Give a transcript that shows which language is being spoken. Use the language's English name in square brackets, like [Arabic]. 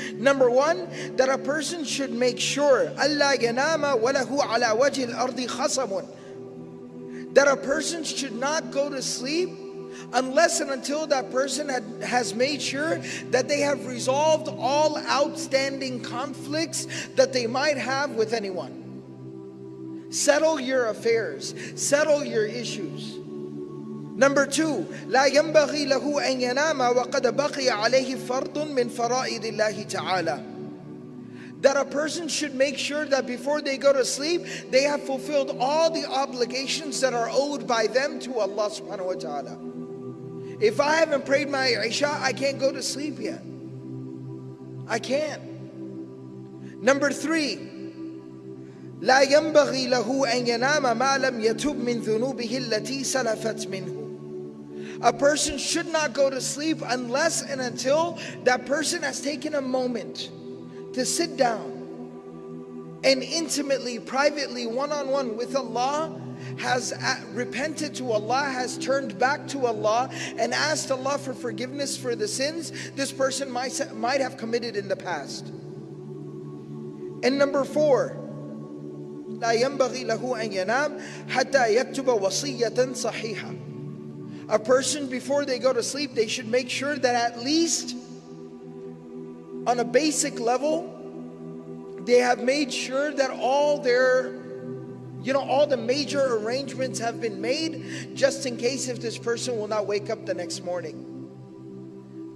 [English] Number one, that a person should make sure, [Arabic] Allah yanama wa lahu ala wajhi al-ardi khasamun, [English] that a person should not go to sleep unless and until that person has made sure that they have resolved all outstanding conflicts that they might have with anyone. Settle your affairs, settle your issues. Number two, [Arabic] لا ينبغي له أن ينام وقد بقي عليه فرض من فرائض الله تعالى. [English] That a person should make sure that before they go to sleep, they have fulfilled all the obligations that are owed by them to Allah subhanahu wa ta'ala. If I haven't prayed my Isha, I can't go to sleep yet. I can't. Number three, [Arabic] لا ينبغي له أن ينام ما لم يتوب من ذنوبه التي سلفت منه. [English] A person should not go to sleep unless and until that person has taken a moment to sit down and intimately, privately, one-on-one with Allah, has repented to Allah, has turned back to Allah, and asked Allah for forgiveness for the sins this person might have committed in the past. And number four, [Arabic] لا ينبغي له أن ينام حتى يكتب وصية صحيحة. [English] A person, before they go to sleep, they should make sure that at least on a basic level, they have made sure that all their, you know, all the major arrangements have been made just in case if this person will not wake up the next morning.